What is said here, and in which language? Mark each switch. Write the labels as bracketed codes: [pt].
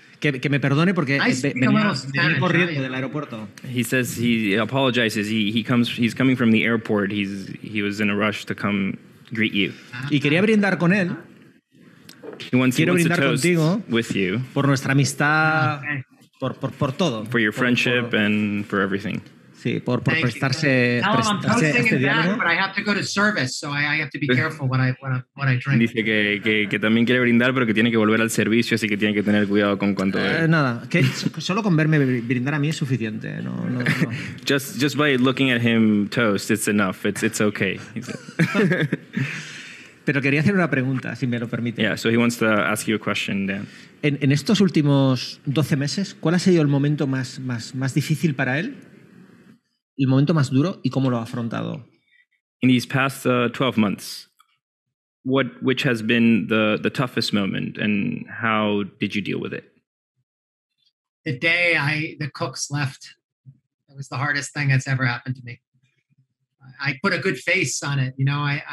[es] Que me perdone porque venía corriendo del aeropuerto. [en] He says he apologizes. He's coming from the airport. He was in a rush to come greet you. [es] Y quería brindar con él. Quiero brindar contigo [en] with you. [es] Por nuestra amistad, por todo. [en] For your friendship and for everything. [es] Sí, por prestarse este diálogo. [en] But I have to go to service, so I have to be careful what I drink. [es] Dice que también quiere brindar, pero que tiene que volver al servicio, así que tiene que tener cuidado con cuánto. Nada, que solo con verme brindar a mí es suficiente. No. [en] just by looking at him toast, it's enough. It's okay. Pero quería hacer una pregunta, si me lo permite. Yeah, so he wants to ask you a question, Dan. En estos últimos 12 meses, ¿cuál ha sido el momento más difícil para él? El momento más duro y cómo lo ha afrontado. In these past 12 months, which has been the toughest moment and how did you deal with it? The day the cooks left. That was the hardest thing that's ever happened to me. I put a good face on it, you know.